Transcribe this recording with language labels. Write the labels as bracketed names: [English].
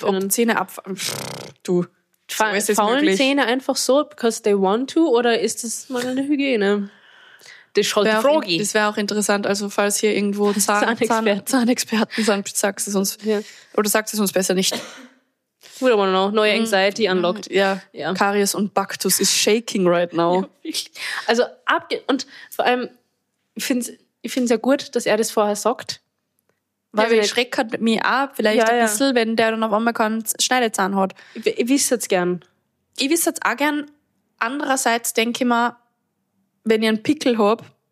[German] Ich weiß nicht, ob Zähne du, so faulen Zähne einfach so, [English] because they want to, [German] oder ist das mangelnde Hygiene? Das ist halt die Frage. Das wäre auch interessant, also falls hier irgendwo Zahnexperten sind, sagst du es uns, ja. Oder sagst du es uns besser nicht. [English] We don't know, neue Anxiety unlocked. Ja, yeah. Karies und Baktus is shaking right now. [German] Also, und vor allem, ich find's ja gut, dass er das vorher sagt. Weil der Schreck hat mich auch vielleicht ein bisschen, wenn der dann auf einmal keinen Schneidezahn hat. Ich wüsste es gern. Ich wüsste es auch gern. Andererseits denke ich mir, wenn ich einen Pickel hab,